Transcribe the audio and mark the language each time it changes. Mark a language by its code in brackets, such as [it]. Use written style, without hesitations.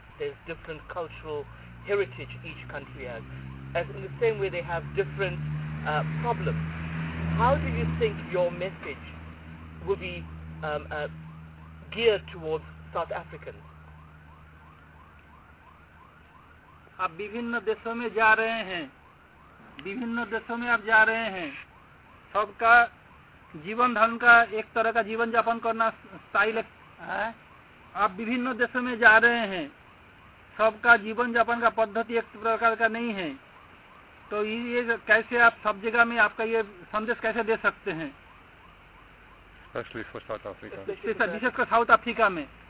[en] There's different cultural heritage each country has. As in the same way, they have different problems. How do you think your message will be geared towards South Africans? [hi] आप विभिन्न देशों में जा रहे हैं, विभिन्न देशों में आप जा रहे हैं, सबका जीवन धन का एक तरह का जीवन यापन करना स्टाइल है। आप विभिन्न देशों में जा रहे हैं, सबका जीवन यापन का पद्धति एक प्रकार का नहीं है, तो ये कैसे आप सब जगह में आपका ये संदेश कैसे दे सकते हैं? [en] Especially for South Africa. Especially for South Africa. South Africa में